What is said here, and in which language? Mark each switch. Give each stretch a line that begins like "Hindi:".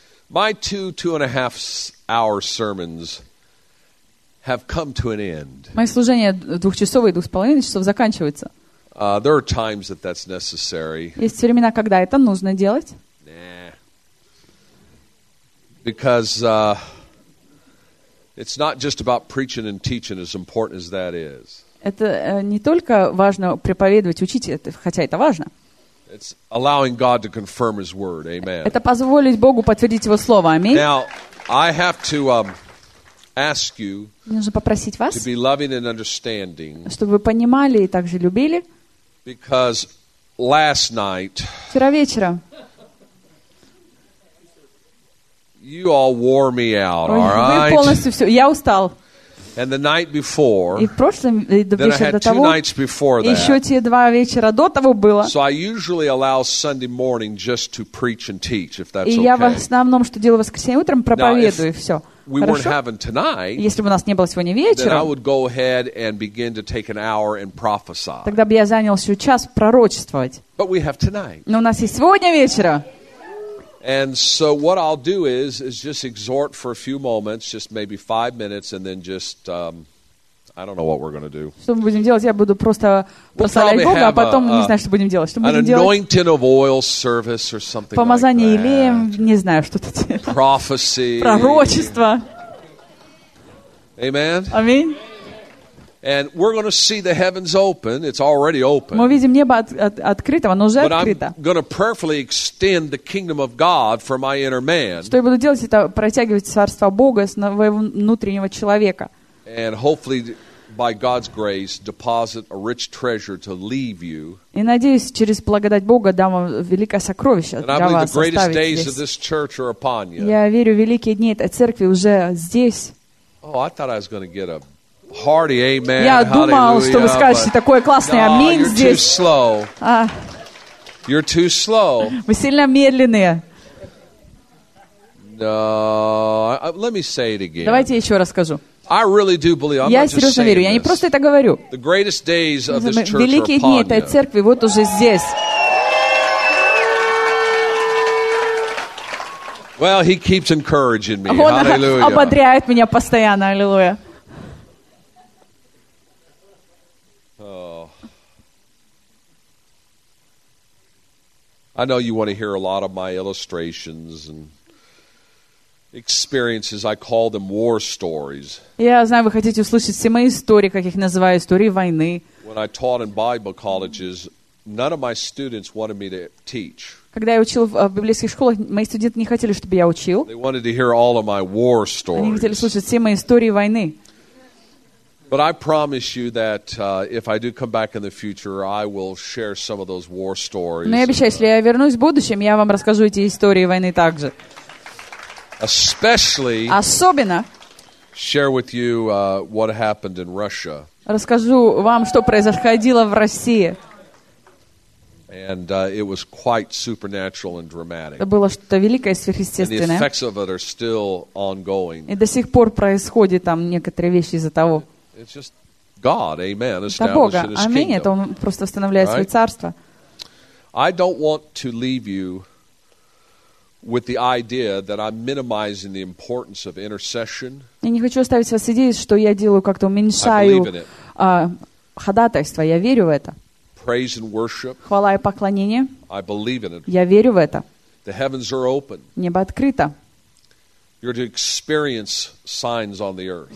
English: My two and a half hour sermons have come to an end.
Russian: Мои служения двухчасовые, двух с половиной часов заканчиваются.
English: There are times that that's necessary.
Russian: Есть времена, когда это нужно делать.
English: Because it's not just about preaching and teaching, as important as that is.
Russian: Это не только важно проповедовать, учить, хотя это важно.
English: It's allowing God to confirm His word. Amen.
Russian: Это позволить Богу подтвердить Его слово. Аминь.
English: Now I have to ask you to be loving and understanding,
Russian: чтобы вы понимали и также любили.
English: Because last night.
Russian: Вчера вечером.
English: You all wore me out, all right?
Russian: Вы полностью все. Я устал.
English: And the night before.
Russian: И прошлым вечером до того.
English: Two nights before that.
Russian: Еще те два вечера до того было.
English: So I usually allow Sunday morning just to preach and teach, if that's okay.
Russian: И я в основном, что делаю воскресенье утром, проповедую, и все.
English: We weren't having tonight.
Russian: Если бы у нас не было сегодня вечером.
English: Then I would go ahead and begin to take an hour and prophesy.
Russian: Тогда бы я занялся час пророчествовать.
English: But we have tonight.
Russian: Но у нас есть сегодня вечером.
English: And so what I'll do is just exhort for a few moments, just maybe 5 minutes, and then just, I don't know what we're going to do.
Russian: Что мы будем делать? Я буду просто прославлять Бога, а потом не знаю, что будем делать.
English: An anointing of oil service or something like that.
Russian: Помазание елеем, не знаю, что тут.
English: Prophecy.
Russian: Пророчество.
English: Amen.
Russian: Аминь.
English: And we're going to see the heavens open. It's already open.
Russian: Мы видим небо открыто, оно уже открыто.
English: But I'm going to prayerfully extend the kingdom of God for my inner man.
Russian: Что я буду делать, это протягивать царство Бога с моего внутреннего человека.
English: And hopefully, by God's grace, deposit a rich treasure to leave you.
Russian: И надеюсь, через благодать Бога дам вам великое сокровище для вас.
English: And I believe the greatest days of this church are upon you.
Russian: Я верю, великие дни этой церкви уже здесь.
English: Oh, I thought I was going to get a hearty amen.
Russian: Я думал, что вы скажете такой классный аминь здесь.
English: You're too slow. You're too slow.
Russian: Вы сильно медленные.
English: No, let me say it again.
Russian: Давайте еще раз скажу.
English: I really do believe.
Russian: Я серьезно верю. Я не просто это говорю.
English: The greatest days of this church.
Russian: Великие дни этой церкви вот уже здесь.
English: Well, he keeps encouraging me. Hallelujah.
Russian: Он ободряет меня постоянно. Аллилуйя.
English: I know you want to hear a lot of my illustrations and experiences. I call them war stories.
Russian: Я знаю, вы хотите услышать все мои истории, как их называю, истории войны.
English: When I taught in Bible colleges, none of my students wanted me to teach.
Russian: Когда я учил в библейских школах, мои студенты не хотели, чтобы я учил.
English: They wanted to hear all of my war stories.
Russian: Они хотели слушать все мои истории войны.
English: But I promise you that if I do come back in the future, I will share some of those war stories.
Russian: Но я обещаю, если я вернусь в будущем, я вам расскажу эти истории войны также.
English: Especially.
Russian: Особенно.
English: Share with you what happened in Russia.
Russian: Расскажу вам, что происходило в России.
English: And it was quite supernatural and dramatic.
Russian: Это было что-то великое, сверхъестественное.
English: And the effects of it are still ongoing.
Russian: И до сих пор происходит там некоторые вещи из-за того.
English: It's just God, amen, establishing His kingdom.
Russian: Аминь, это Он просто восстанавливает свое царство.
English: I don't want to leave you with the idea that I'm minimizing the importance of intercession.
Russian: Я не хочу оставить вас с идеей, что я делаю как-то уменьшаю ходатайство. Я верю в это.
English: Praise and worship.
Russian: Хвала и поклонение.
English: I believe in it.
Russian: Я верю в это.
English: The heavens are open.
Russian: Небо открыто.
English: You're to experience signs on the earth.